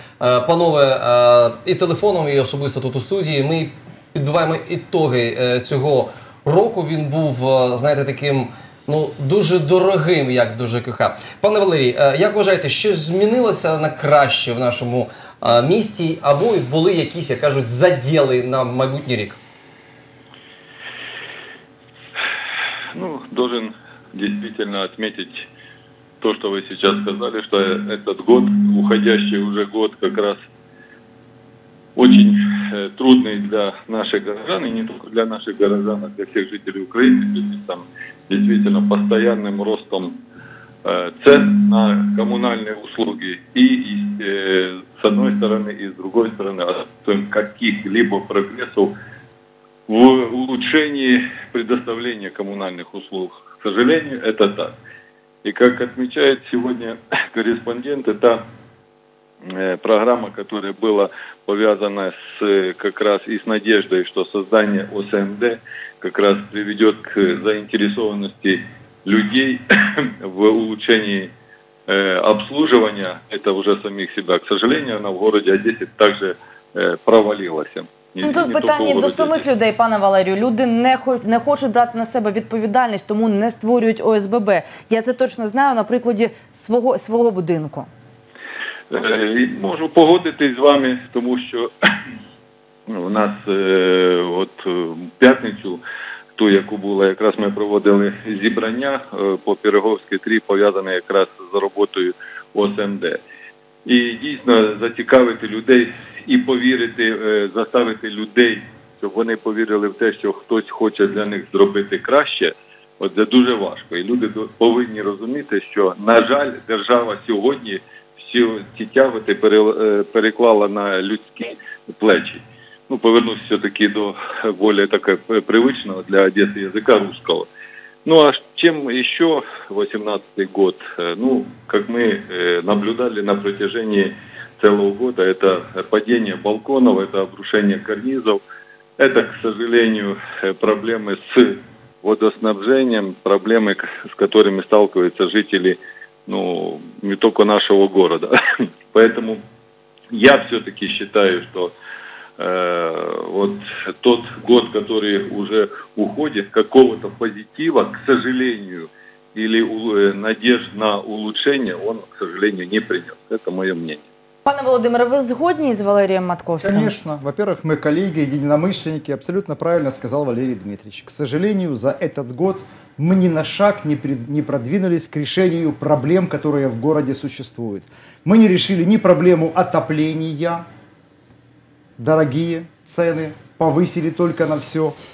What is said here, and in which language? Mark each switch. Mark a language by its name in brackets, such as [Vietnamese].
[Ukrainian] Панове, і телефоном, і особисто тут у студії, ми підбиваємо ітоги цього року. Він був, знаєте, таким... Ну, дуже дорогим, як до ЖКГ. Пане Валерій, як вважаєте, що змінилося на краще в нашому місті, або були якісь, як кажуть, заділи на майбутній рік? [Russian] Ну, должен действительно отметить то, что вы сейчас сказали, что этот год, уходящий уже год, как раз очень трудный для наших горожан, и не только для наших горожан, а для всех жителей Украины, там действительно постоянным ростом цен на коммунальные услуги. И с одной стороны, и с другой стороны, отсутствием каких-либо прогрессов в улучшении предоставления коммунальных услуг. К сожалению, это так. И как отмечает сегодня корреспондент, это программа, которая была повязана с как раз и с надеждой, что создание ОСМД как раз приведет к заинтересованности людей в улучшении обслуживания, это уже самих себя. К сожалению, она в городе Одессе также провалилась. [Ukrainian] Ну, тут питання до самих людей, пане Валерію. Люди не хочуть брати на себе відповідальність, тому не створюють ОСББ. Я це точно знаю на прикладі свого будинку. Можу погодитись з вами, тому що у нас от п'ятницю, ту, яку було, якраз ми проводили зібрання по Пироговській 3, пов'язане якраз з роботою ОСМД. І дійсно зацікавити людей і повірити, заставити людей, щоб вони повірили в те, що хтось хоче для них зробити краще, от це дуже важко. І люди повинні розуміти, що, на жаль, держава сьогодні всі ці тяготи переклала на людські плечі. Ну, повернусь все-таки до более таке привичного для Одеси [Russian] язика русского. Ну, а чем еще 18-й год? Ну, как мы наблюдали на протяжении целого года, это падение балконов, это обрушение карнизов, это, к сожалению, проблемы с водоснабжением, проблемы, с которыми сталкиваются жители, ну, не только нашего города. Поэтому я все-таки считаю, что вот тот год, который уже уходит, какого-то позитива, к сожалению, или надежд на улучшение, он, к сожалению, не принес. Это мое мнение. [Ukrainian] Пане Володимире, ви згодні з Валерієм Матковським? [Russian] Конечно. Во-первых, мы коллеги, единомышленники. Абсолютно правильно сказал Валерий Дмитриевич. К сожалению, за этот год мы ни на шаг не продвинулись к решению проблем, которые в городе существуют. Мы не решили ни проблему отопления. Дорогие цены повысили только на все.